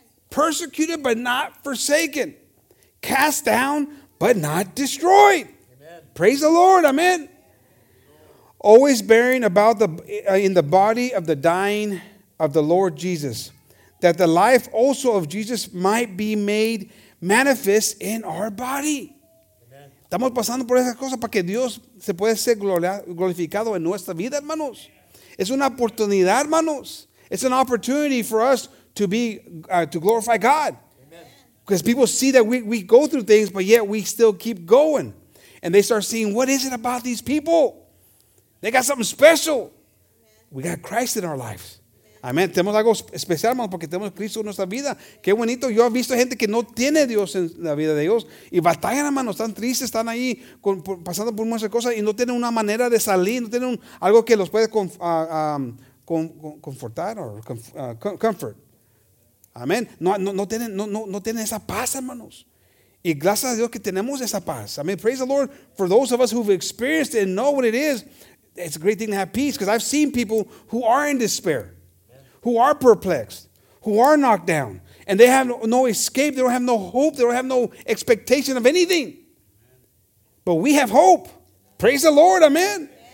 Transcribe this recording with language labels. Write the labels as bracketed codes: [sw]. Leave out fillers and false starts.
[en] Persecuted, but not forsaken. Cast down, but not destroyed. Amen. Praise the Lord. Amen. Always bearing about in the body of the dying of the Lord Jesus, that the life also of Jesus might be made manifest in our body. [es] Estamos pasando por esas cosas para que Dios se pueda ser glorificado en nuestra vida, hermanos. Es una oportunidad, hermanos. [en] It's an opportunity for us to be to glorify God. Because people see that we go through things, but yet we still keep going. And they start seeing, what is it about these people? They got something special. Amen. We got Christ in our lives. Amen. [es] Tenemos algo especial, hermano, porque tenemos Cristo en nuestra vida. Qué bonito. Yo he visto gente que no tiene Dios en la vida de ellos. Y batallan, hermano. Están tristes. Están ahí pasando por muchas cosas. Y no tienen una manera de salir. No tienen algo que los puede confortar. [en] Comfort. [es] Amén. No tienen esa paz, hermanos. Y gracias a Dios que tenemos esa paz. [en] I mean, praise the Lord for those of us who've experienced it and know what it is. It's a great thing to have peace, because I've seen people who are in despair, who are perplexed, who are knocked down, and they have no escape. They don't have no hope. They don't have no expectation of anything. But we have hope. Praise the Lord. Amén.